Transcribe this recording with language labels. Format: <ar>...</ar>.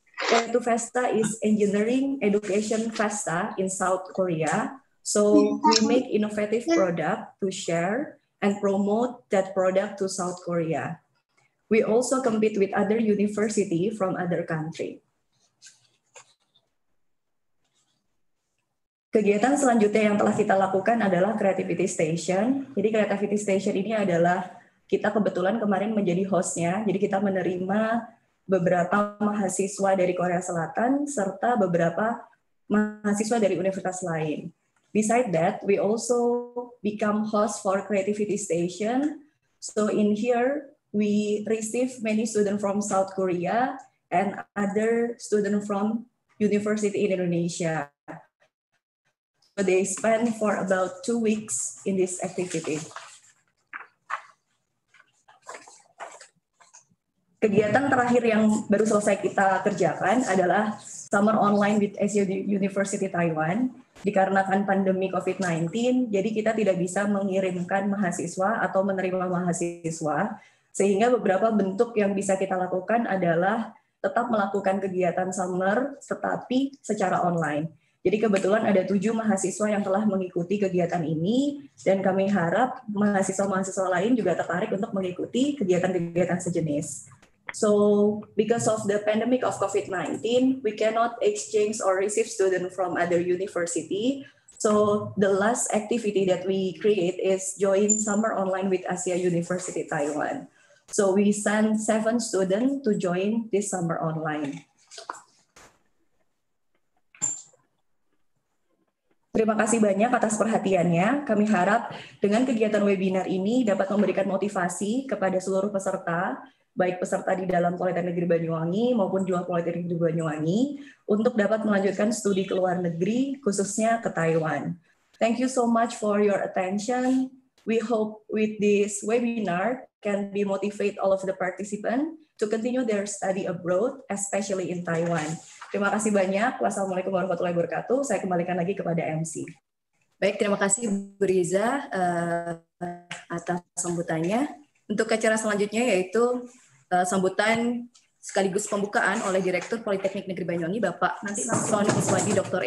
<en>E2Festa is Engineering Education Festa in South Korea. So we make innovative product to share and promote that product to South Korea. We also compete with other university from other country.</en> <id>Kegiatan selanjutnya yang telah kita lakukan adalah Creativity Station. Jadi Creativity Station ini adalah kita kebetulan kemarin menjadi hostnya. Jadi kita menerima beberapa mahasiswa dari Korea Selatan serta beberapa mahasiswa dari universitas lain.</id> <en>Besides that, we also become host for Creativity Station. So in here, we receive many students from South Korea and other students from university in Indonesia. So they spend for about 2 weeks in this activity.</en> <id>Kegiatan terakhir yang baru selesai kita kerjakan adalah Summer Online with Asia University Taiwan. Dikarenakan pandemi COVID-19, jadi kita tidak bisa mengirimkan mahasiswa atau menerima mahasiswa. Sehingga beberapa bentuk yang bisa kita lakukan adalah tetap melakukan kegiatan summer, tetapi secara online. Jadi kebetulan ada 7 mahasiswa yang telah mengikuti kegiatan ini, dan kami harap mahasiswa-mahasiswa lain juga tertarik untuk mengikuti kegiatan-kegiatan sejenis.</id> <en>So, because of the pandemic of COVID-19, we cannot exchange or receive students from other university. So, the last activity that we create is join summer online with ASEA University Taiwan. So, we send 7 students to join this summer online.</en> <id>Terima kasih banyak atas perhatiannya. Kami harap dengan kegiatan webinar ini dapat memberikan motivasi kepada seluruh peserta, baik peserta di dalam Politeknik Negeri Banyuwangi maupun di luar Politeknik Negeri Banyuwangi, untuk dapat melanjutkan studi ke luar negeri, khususnya ke Taiwan.</id> <en>Thank you so much for your attention. We hope with this webinar can be motivate all of the participants to continue their study abroad, especially in Taiwan.</en> <id>Terima kasih banyak. Wassalamualaikum warahmatullahi wabarakatuh. Saya kembalikan lagi kepada MC. Baik, terima kasih Bu Riza atas sambutannya. Untuk acara selanjutnya yaitu sambutan sekaligus pembukaan oleh Direktur Politeknik Negeri Banyuwangi, Bapak Sony Iswadi, Dr.</id>